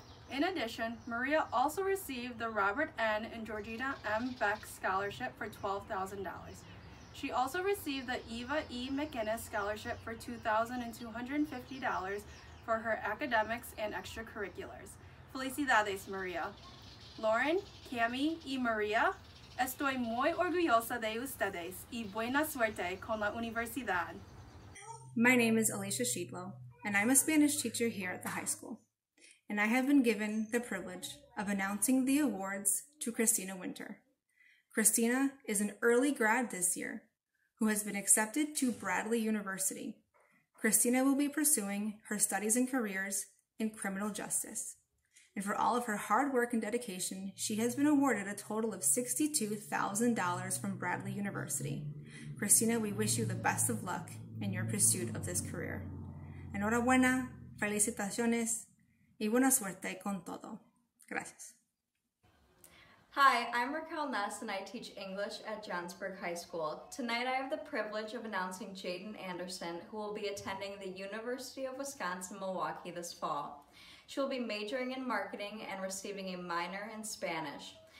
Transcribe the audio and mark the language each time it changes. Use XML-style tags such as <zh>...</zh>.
<en>In addition, Maria also received the Robert N. and Georgina M. Beck Scholarship for $12,000. She also received the Eva E. McGinnis Scholarship for $2,250 for her academics and extracurriculars.</en> <es>Felicidades, Maria. Lauren, Cami y Maria, estoy muy orgullosa de ustedes y buena suerte con la universidad.</es> <en>My name is Alicia Shidlow, and I'm a Spanish teacher here at the high school. And I have been given the privilege of announcing the awards to Christina Winter. Christina is an early grad this year who has been accepted to Bradley University. Christina will be pursuing her studies and careers in criminal justice. And for all of her hard work and dedication, she has been awarded a total of $62,000 from Bradley University. Christina, we wish you the best of luck in your pursuit of this career.</en> <es>Enhorabuena, felicitaciones, y buena suerte con todo. Gracias.</es> <en>Hi, I'm Raquel Ness and I teach English at Johnsburg High School. Tonight I have the privilege of announcing Jaden Anderson, who will be attending the University of Wisconsin-Milwaukee this fall. She will be majoring in marketing and receiving a minor in Spanish.</en>